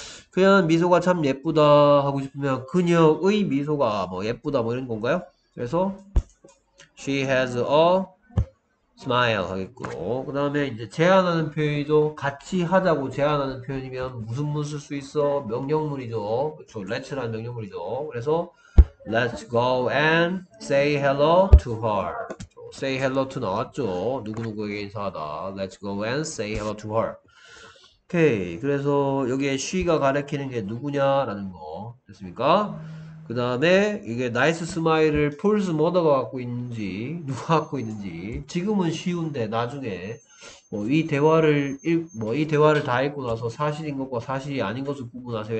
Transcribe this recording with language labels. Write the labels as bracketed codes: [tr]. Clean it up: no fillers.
[ko] 그녀는 미소가 참 예쁘다 하고 싶으면 그녀의 미소가 뭐 예쁘다 뭐 이런 건가요? 그래서 [en] she has a smile [ko] 하겠고. 그 다음에 이제 제안하는 표현이죠. 같이 하자고 제안하는 표현이면 무슨 무슨 쓸수 있어? 명령문이죠. 그쵸? Let's라는 명령문이죠. 그래서 [en] Let's go and say hello to her. Say hello to [ko] 나왔죠. 누구누구에게 인사하다. [en] Let's go and say hello to her. 오케이. [ko] 그래서 여기에 she가 가리키는 게 누구냐라는 거. 됐습니까? 그 다음에 이게 나이스 스마일을 폴스 머더가 갖고 있는지 누가 갖고 있는지 지금은 쉬운데 나중에 뭐이 대화를 읽뭐이 대화를 다 읽고 나서 사실인 것과 사실이 아닌 것을 구분하세요.